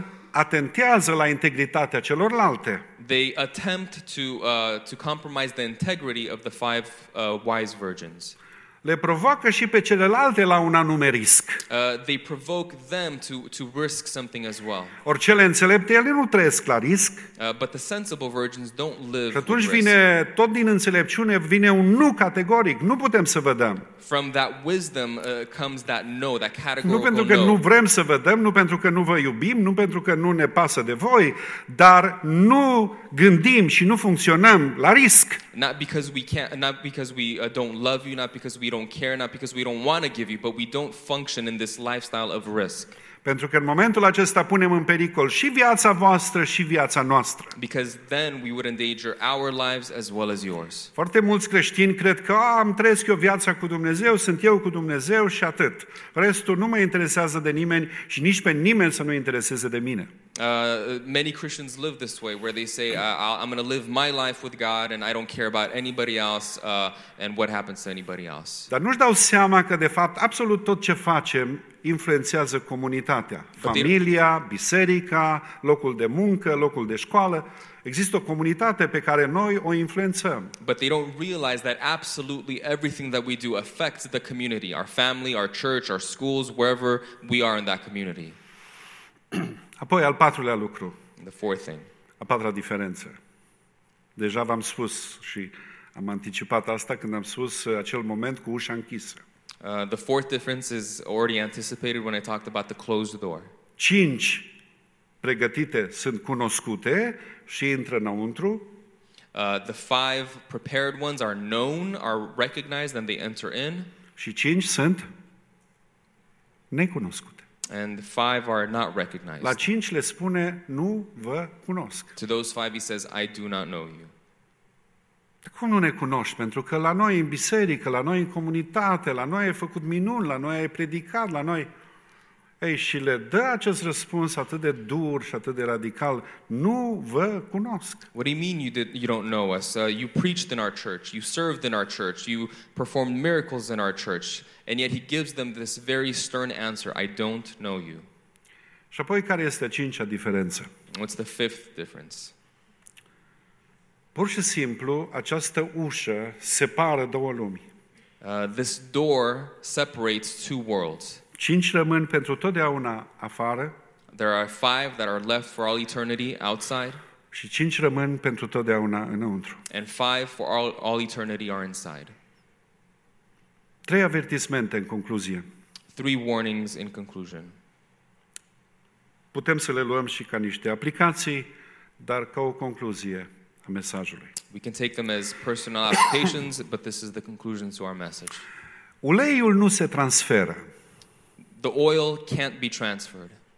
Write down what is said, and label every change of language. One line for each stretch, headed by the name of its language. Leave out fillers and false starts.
Romanian: Atentează la integritatea celorlalte.
English: They attempt to compromise the integrity of the five wise virgins.
Romanian: Le provoacă și pe celelalte la un anume risc.
English: They provoke them to risk something as well.
Romanian: Or cele înțelepte, ele nu trăiesc la risc.
English: But the sensible virgins don't live.
Romanian: Și atunci vine tot din înțelepciune, vine un nu categoric, nu putem să vă dăm.
English: From that wisdom comes that no, that categorical no.
Romanian: Nu pentru că
English: no.
Romanian: Nu vrem să vă dăm, nu pentru că nu vă iubim, nu pentru că nu ne pasă de voi, dar nu gândim și nu funcționăm la risc.
English: Not because we can't, not because we don't love you, not because we don't care, not because we don't want to give you, but we don't function in this lifestyle of risk.
Romanian: Pentru că în momentul acesta punem în pericol și viața voastră și viața noastră.
English: Because then we would endanger our lives as well as yours.
Romanian: Foarte mulți creștini cred că am trăiesc eu viața cu Dumnezeu, sunt eu cu Dumnezeu și atât. Restul nu mă interesează de nimeni și nici pe nimeni să nu intereseze de mine.
English: Many Christians live this way where they say I'm going to live my life with God and I don't care about anybody else and what happens to anybody else.
Romanian: Dar nu-și dau seama că de fapt absolut tot ce facem influențează comunitatea, familia, biserica, locul de muncă, locul de școală. Există o comunitate pe care noi o influențăm.
English: But they don't realize that absolutely everything that we do affects the community, our family, our church, our schools, wherever we are in that community.
Romanian: Apoi al patrulea lucru.
English: The fourth thing.
Romanian: A patra diferență. Deja v-am spus și am anticipat asta când am spus acel moment cu ușa închisă.
English: The fourth difference is already anticipated when I talked about the closed door.
Romanian: Cinci pregătite sunt cunoscute și intră înăuntru.
English: The five prepared ones are known, are recognized, and they enter in.
Romanian: Și cinci sunt necunoscute.
English: And the five are not recognized.
Romanian: La cinci le spune, nu vă cunosc.
English: To those five he says, I do not know you.
Romanian: Cum nu ne cunoști? Pentru că la noi în biserică, la noi în comunitate, la noi ai făcut minuni, la noi ai predicat, la noi... Ei, și le dă acest răspuns atât de dur și atât de radical. Nu vă cunosc.
English: What do you mean you don't know us? You preached in our church, you served in our church, you performed miracles in our church, and yet he gives them this very stern answer, I don't know you.
Romanian: Și apoi, care este a cincea diferență?
English: What's the fifth difference?
Romanian: Pur și simplu, această ușă separă două lumi.
English: This door separates two worlds.
Romanian: Cinci rămân pentru totdeauna afară.
English: There are five that are left for all eternity outside.
Romanian: Și cinci rămân pentru totdeauna înăuntru.
English: And five for all eternity are inside.
Romanian: Trei avertismente în concluzie.
English: Three warnings in conclusion.
Romanian: Putem să le luăm și ca niște aplicații, dar ca o concluzie a mesajului.
English: We can take them as personal applications, but this is the conclusion to our message.
Romanian: Uleiul nu se transferă.
English: The oil can't be transferred.